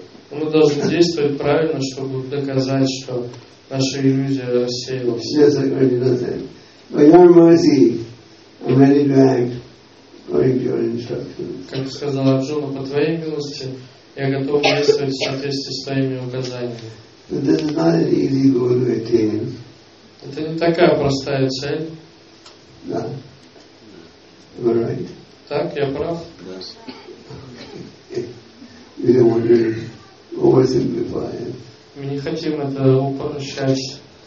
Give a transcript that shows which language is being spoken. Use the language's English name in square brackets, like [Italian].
[Russian] Мы должны действовать правильно, чтобы доказать, что наша иллюзия рассеивается. [English] By your mercy, I'm ready to act according to your instructions. [Russian] Как сказал Арджуна, по твоей милости я готов действовать в соответствии с твоими указаниями. [English] But this is not an easy goal to attain. [Russian] Это не такая простая цель. [English] Да. Am I right? [Russian] Так, я прав? [English] Yes. We don't want to oversimplify it. [Russian] Мы не хотим это упрощать.